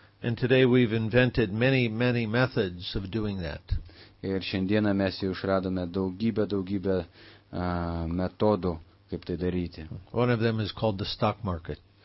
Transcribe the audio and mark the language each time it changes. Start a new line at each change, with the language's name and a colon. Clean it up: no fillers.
English: And today we've invented many, many methods of doing that.
Lithuanian: Ir šiandieną mes jau išradome daugybę metodų, kaip tai daryti.
English: One of them is called the stock market.